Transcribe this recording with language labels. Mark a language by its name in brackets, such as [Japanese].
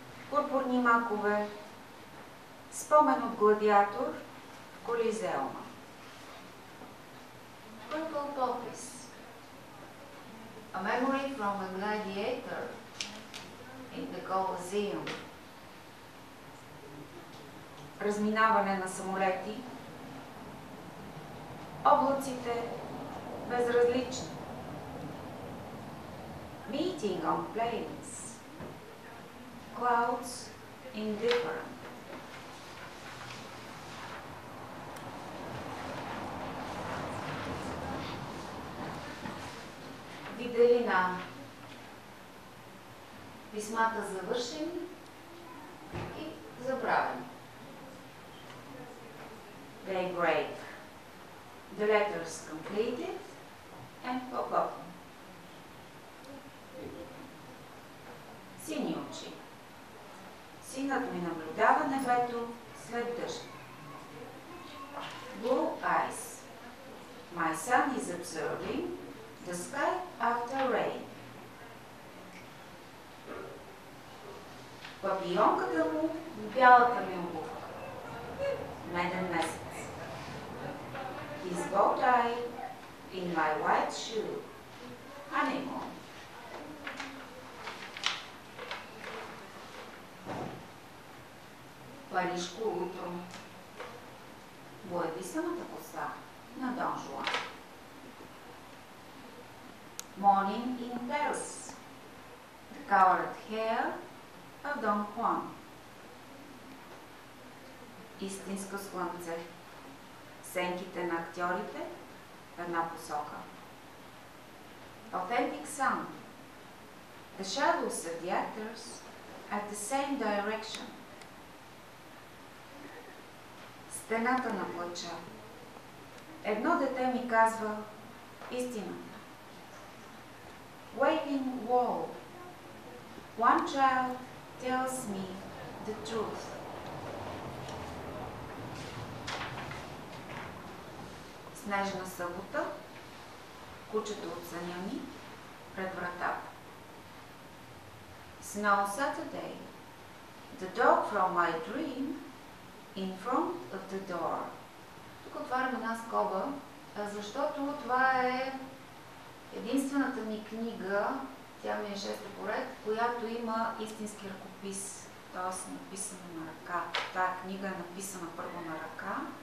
[Bulgarian] Пурпурни макове. Спомен от гладиатор в Колизеума. [English] Purple poppies. A memory from a gladiator in the Colosseum. [Bulgarian] Разминаване на самолети. Облаците безразлични. [English] Meeting on planes. Clouds indifferent. [Bulgarian] Виделина. Писмата завършени и забравени. [English] Daybreak. The letters completed and forgotten. [Bulgarian] Сини очи. Синът ми наблюдава небето след дъжд. [English] Blue eyes. My son is observing the sky after rain. [Bulgarian] Папионката му в бялата ми обувка. Меден месец. [English] His bow tie in my white shoe. Honeymoon. [Bulgarian] Парижко утро. Боядисаната коса на Дон Жуан. [English] Morning in Paris. The colored hair of Don Juan. [Bulgarian] Истинско слънце. Сенките на актьорите в една посока. [English] Authentic sun. The shadows of the actors at the same direction. [Bulgarian] Стената на плача. Едно дете ми казва истината. [English] Waving wall. One child tells me the truth. [Bulgarian] Снежна събота, кучето от съня ми пред вратата. [English] Snow Saturday, the dog from my dream in front of the door. [Bulgarian] Тук отварям една скоба, защото това е единствената ми книга, тя ми е шеста поред, която има истински ръкопис, т.е. написана на ръка. Тая книга е написана първо на ръка.